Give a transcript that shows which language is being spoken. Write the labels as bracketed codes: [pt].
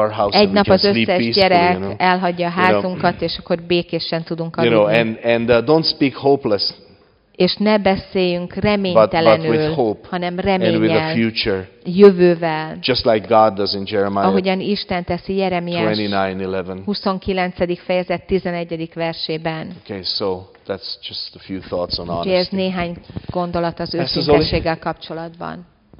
[hu] Egy nap az összes gyerek elhagyja a házunkat, és akkor békésen tudunk aludni. [en] And don't speak hopeless. [hu] És ne beszéljünk reménytelenül, [en] hope, [hu] hanem reménnyel, [en] future, [hu] jövővel. [en] Just like God does in Jeremiah, [hu] ahogyan Isten teszi Jeremiás 29. fejezet 11. versében. [en] Okay, so that's just a few thoughts on honesty. [hu] Ez néhány gondolat az őszintességgel kapcsolatban.